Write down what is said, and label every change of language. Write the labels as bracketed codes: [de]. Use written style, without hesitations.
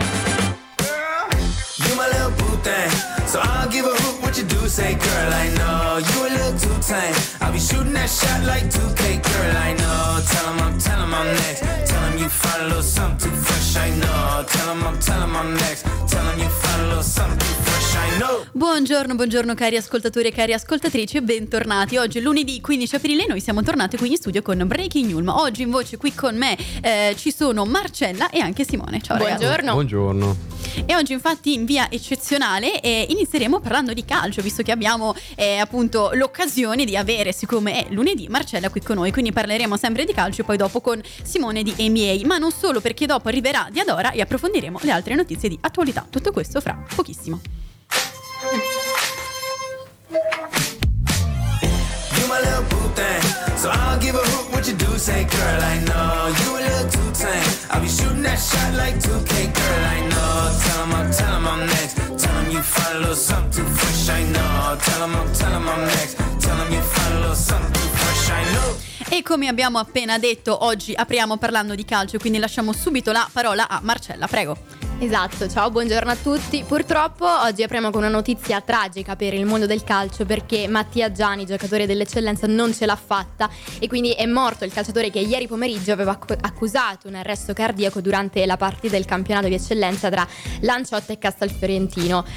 [en] You my little boo thing, so I'll give a hoot what you do. Say, girl, I know you a little too tame. I'll be shooting that shot like 2K. Girl, I know. Tell him I'm next. Tell him you find a little something too fresh. I know. Tell him I'm next. Tell him you find a little something too fresh. I know. [it] Buongiorno, buongiorno cari ascoltatori e cari ascoltatrici, bentornati. Oggi è lunedì 15 aprile, noi siamo tornati qui in studio con Breaking Yulm. Oggi in voce qui con me ci sono Marcella e anche Simone. Ciao, buongiorno. Ragazzi. Buongiorno. E oggi infatti in via eccezionale inizieremo parlando di calcio, visto che abbiamo appunto l'occasione di avere, siccome è lunedì, Marcella qui con noi. Quindi parleremo sempre di calcio e poi dopo con Simone di NBA. Ma non solo, perché dopo arriverà Diadora e approfondiremo le altre notizie di attualità. Tutto questo fra pochissimo. [en] You my little boo thing, so I'll give a hoot what you do. Say, girl, I know you a little too tame. I'll be shooting that shot like 2K. Girl, I know. Tell him I'm next. Tell him you find a little something too fresh. I know. Tell him I'm next. Tell him you find a little something too fresh. I know. [it] E come abbiamo appena detto, oggi apriamo parlando di calcio, quindi lasciamo subito la parola a Marcella, prego. Esatto, ciao, buongiorno a tutti. Purtroppo oggi apriamo con una notizia tragica per il mondo del calcio, perché Mattia Gianni, giocatore dell'Eccellenza, non ce l'ha fatta e quindi è morto il calciatore che ieri pomeriggio aveva accusato un arresto cardiaco durante la partita del campionato di Eccellenza tra Lanciotte e Castelfiorentino.